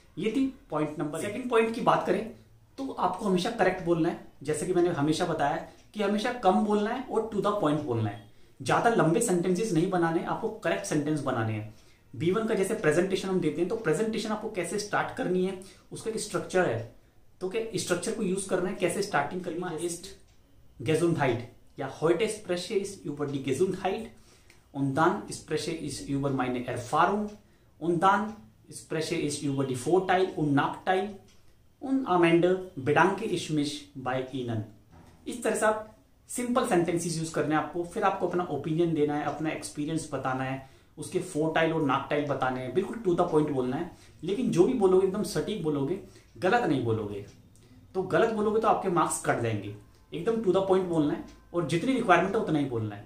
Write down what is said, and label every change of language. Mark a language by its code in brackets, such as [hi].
[hi] ये थी point number. Second point की बात करें तो आपको हमेशा करेक्ट बोलना है, जैसे कि मैंने हमेशा बताया कि हमेशा कम बोलना है और टू द पॉइंट बोलना है। ज्यादा लंबे सेंटेंसेस नहीं बनाने, आपको करेक्ट सेंटेंस बनाने हैं। B1 का जैसे प्रेजेंटेशन हम देते हैं, तो प्रेजेंटेशन आपको कैसे स्टार्ट करनी है, उसका एक स्ट्रक्चर है, तो क्या स्ट्रक्चर को यूज करना है, कैसे स्टार्टिंग करना है। [de] इस्ट गेजुनहाइट या heute spreche ich über die Gesundheit, und dann spreche ich über meine Erfahrung, und dann spreche ich über die Vorteile und Nachteile, und am Ende bedanke ich mich bei Ihnen। [hi] इस तरह से आप simple sentences use करने हैं आपको, फिर आपको अपना ओपिनियन देना है, अपना एक्सपीरियंस बताना है, उसके फोरटाइल और नाकटाइल बताने हैं, बिल्कुल टू द पॉइंट बोलना है। लेकिन जो भी बोलोगे एकदम सटीक बोलोगे, गलत नहीं बोलोगे। तो गलत बोलोगे तो आपके मार्क्स कट जाएंगे, एकदम टू द पॉइंट बोलना है, और जितनी रिक्वायरमेंट है उतना ही बोलना है।